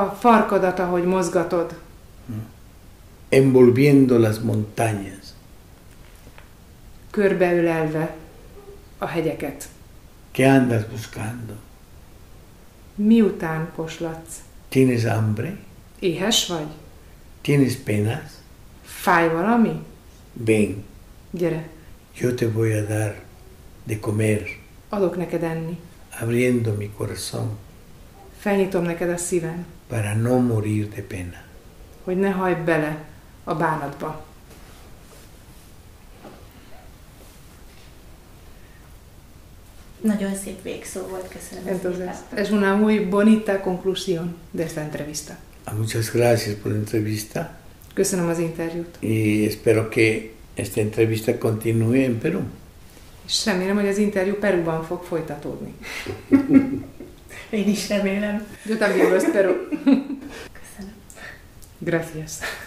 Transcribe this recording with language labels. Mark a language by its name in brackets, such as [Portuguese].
[Hungarian] A farkadat, ahogy mozgatod. [Spanish] Envolviendo las montañas. [Hungarian] körbeölelve a hegyeket. [Spanish] ¿Qué andas buscando? [Hungarian] Miután poslatsz? [Spanish] ¿Tienes hambre? [Hungarian] Éhes vagy? [Spanish] ¿Tienes penas? [Hungarian] Fáj valami? [Spanish] Ven. [Hungarian] Gyere. [Spanish] Yo te voy a dar de comer. [Hungarian] Adok neked enni. [Spanish] Abriendo mi corazón. [Hungarian] Felnyitom neked a szívem. [Spanish] Para no morir de pena. [Hungarian] Hogy ne hajd bele a bánatba. Nagyon szép végszó volt, köszönöm. [Spanish] Es una muy bonita conclusión de esta entrevista. Muchas gracias por la entrevista. [Hungarian] Köszönöm az interjút. [Spanish] Y espero que esta entrevista continúe en Perú. [Hungarian] És remélem, hogy az interjú Perúban fog folytatódni. Én is remélem. [Spanish] Yo también lo espero. [Hungarian] Köszönöm. [Spanish] Gracias.